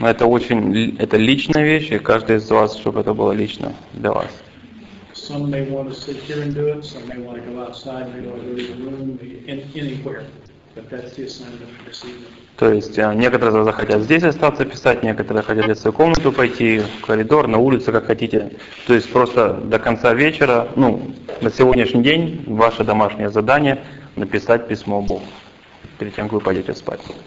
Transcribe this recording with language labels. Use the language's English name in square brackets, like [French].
[Russian] Но это очень, это личная вещь, и каждый из вас, чтобы это было лично для вас. [English] Some may want to sit here and do it. Some may want to go outside and go to the room, anywhere. But that's the assignment for this evening. [Russian] То есть некоторые захотят здесь остаться писать, некоторые хотят в свою комнату пойти, в коридор, на улицу, как хотите. То есть просто до конца вечера, ну, на сегодняшний день, ваше домашнее задание – написать письмо Богу, перед тем, как вы пойдете спать.